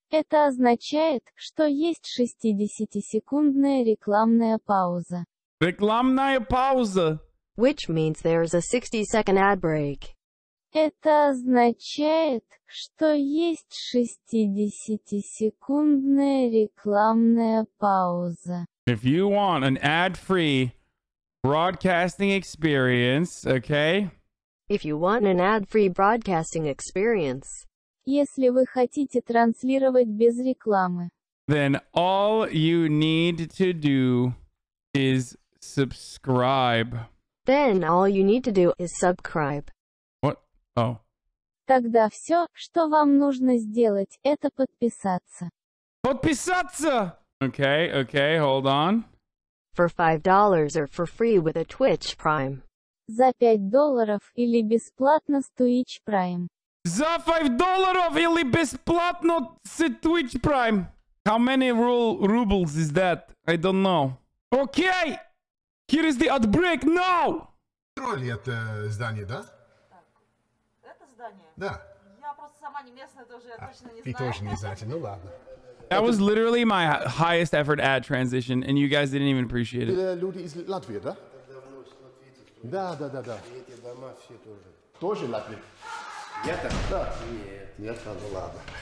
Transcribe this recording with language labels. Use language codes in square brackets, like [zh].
[ru] Это означает, что есть 60-секундная рекламная пауза. Рекламная пауза. [en] Which means there is a 60-second ad break. [ru] Это означает, что есть 60-секундная рекламная пауза. [en] If you want an ad-free broadcasting experience, okay? If you want an ad-free broadcasting experience. [ru] Если вы хотите транслировать без рекламы. [en] Then all you need to do is subscribe. Then all you need to do is subscribe. What? Oh. [ru] Тогда все, что вам нужно сделать, это подписаться. Подписаться! Okay, hold on. [en] For $5 or for free with a Twitch Prime. [ru] За $5 или бесплатно с Twitch Prime. За $5 или бесплатно с Twitch Prime. [en] How many rubles is that? I don't know. Okay! Here is the ad break now! [ru] Тролли это здание, да? Это здание? Да. Я просто сама не местная, тоже я точно не знаю. Ты тоже не знаешь, ну ладно. [en] That was literally my highest effort ad transition, and you guys didn't even appreciate it. [ru] Люди из Латвии, да? Да. Эти дома все тоже. Тоже Латвия? Нет. Да. Нет, ну ладно.